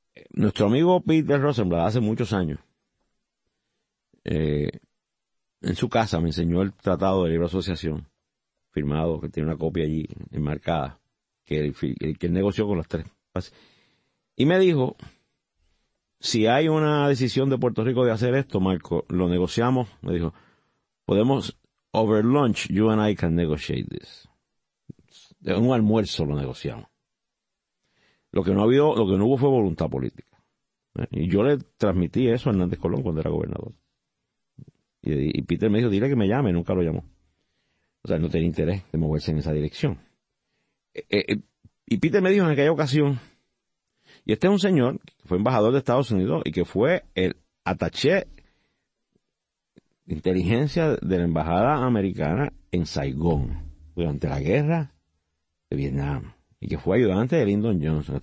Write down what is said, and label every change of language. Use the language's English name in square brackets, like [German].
[Spanish] Nuestro amigo Peter Rosenblatt hace muchos años, en su casa me enseñó el Tratado de Libre Asociación, firmado, que tiene una copia allí enmarcada, que él negoció con las tres bases. Y me dijo: si hay una decisión de Puerto Rico de hacer esto, Marco, lo negociamos. Me dijo, podemos, [English] over lunch, you and I can negotiate this. [Spanish] De un almuerzo lo negociamos. Lo que no hubo fue voluntad política. Y yo le transmití eso a Hernández Colón cuando era gobernador. Y Peter me dijo, dile que me llame, nunca lo llamó. O sea, no tenía interés de moverse en esa dirección. Y Peter me dijo en aquella ocasión, y este es un señor que fue embajador de Estados Unidos y que fue el attaché de inteligencia de la embajada americana en Saigón durante la guerra de Vietnam y que fue ayudante de Lyndon Johnson.